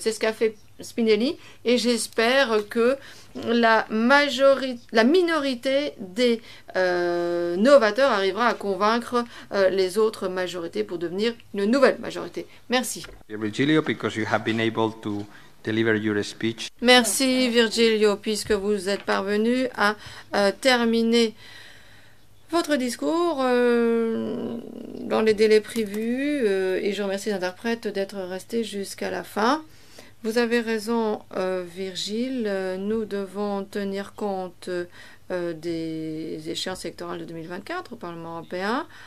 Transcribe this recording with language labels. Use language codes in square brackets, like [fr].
[fr] C'est ce qu'a fait Spinelli, et j'espère que la minorité des novateurs arrivera à convaincre les autres majorités pour devenir une nouvelle majorité. Merci. [en] Virgilio, because you have been able to deliver your speech. [fr] Merci Virgilio, puisque vous êtes parvenu à terminer votre discours dans les délais prévus, et je remercie l'interprète d'être resté jusqu'à la fin. Vous avez raison, Virgile, nous devons tenir compte des échéances électorales de 2024 au Parlement européen.